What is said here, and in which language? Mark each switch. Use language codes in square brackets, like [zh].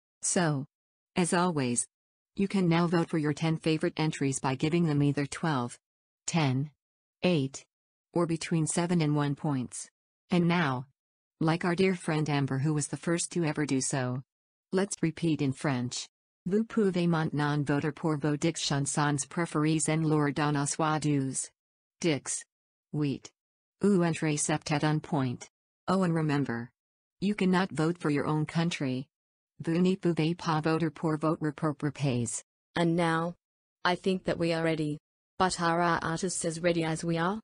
[en] So, as always, you can now vote for your 10 favorite entries by giving them either 12, 10, 8, or between 7 and 1 points. And now, like our dear friend Amber, who was the first to ever do so, let's repeat in French. [fr] Vous pouvez maintenant voter pour vos dix chansons préférées en leur donnant soit 12, dix, 8, ou entrez sept à 1 point. [en] Oh, and remember, you cannot vote for your own country. [fr] Vous ne pouvez pas voter pour votre propre pays. [en] And now, I think that we are ready. But are our artists as ready as we are?